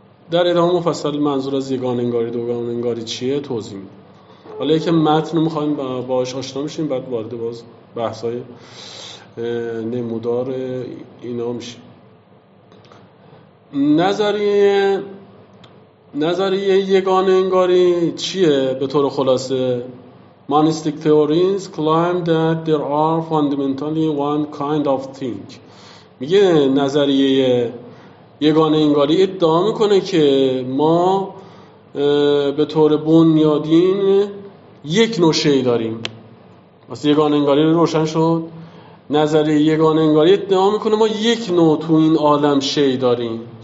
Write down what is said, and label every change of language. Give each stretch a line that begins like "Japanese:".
Persian: در ادامه مفصل منظور از یگانه انگاری دوگانه انگاری چیه توضیح میدم. حالا یکم متن رو میخواییم باش آشنا میشیم، بعد وارد باز بحثای نمودار اینا میشیم. نظریه نظریه یگانه انگاری چیه به طور خلاصه؟
English: Monistic theories claim that there are fundamentally one kind of thing.
Persian: میگه نظریه یگانه انگاری ادعا میکنه که ما به طور بنیادین یک نوع شی داریم. پس یگانه انگاری روشن شد. نظریه یگانه انگاری ادعا میکنه ما یک نوع تو این عالم شی داریم.